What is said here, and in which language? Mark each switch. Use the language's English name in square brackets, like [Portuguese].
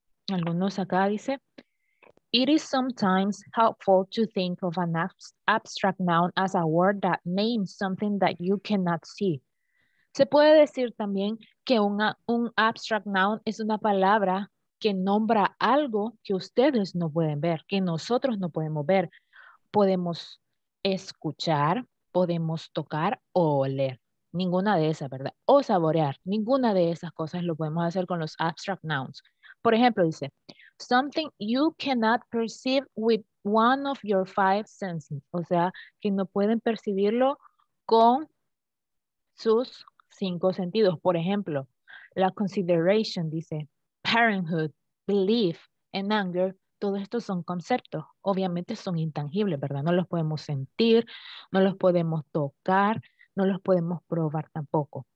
[Spanish] Algunos acá dice, [English] it is sometimes helpful to think of an abstract noun as a word that names something that you cannot see. [Spanish] Se puede decir también que un abstract noun es una palabra que nombra algo que ustedes no pueden ver, que nosotros no podemos ver. Podemos escuchar, podemos tocar o oler. Ninguna de esas, ¿verdad? O saborear. Ninguna de esas cosas lo podemos hacer con los abstract nouns. Por ejemplo, dice, [English] something you cannot perceive with one of your five senses. [Spanish] O sea, que no pueden percibirlo con sus cinco sentidos. Por ejemplo, la consideration, dice, parenthood, belief, and anger. Todos estos son conceptos. Obviamente son intangibles, ¿verdad? No los podemos sentir, no los podemos tocar, no los podemos probar tampoco.